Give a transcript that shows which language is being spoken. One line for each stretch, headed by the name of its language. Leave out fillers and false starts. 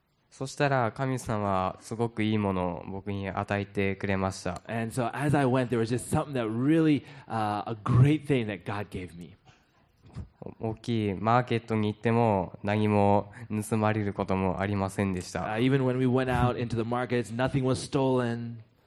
Japanese: そしたら神様はすごくいいものを僕に与えてくれました。
English: And so as I went, there was just something that really, a great thing that God gave me.
Japanese: 大きいマーケットに行っても何も盗まれることもありませんでした。
English: Even when we went out into the markets, nothing was stolen.